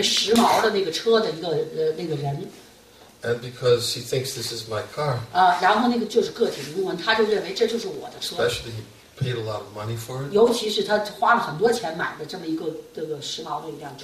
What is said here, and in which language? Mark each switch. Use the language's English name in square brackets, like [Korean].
[Chinese] 那个开着一个特别时髦的那个车的一个人 [English] And because he thinks this is my car [Chinese] 然后那个就是个体灵魂他就认为这就是我的车 [English] Especially he paid a lot of money for it [Chinese] 尤其是他花了很多钱买的这么一个时髦的一辆车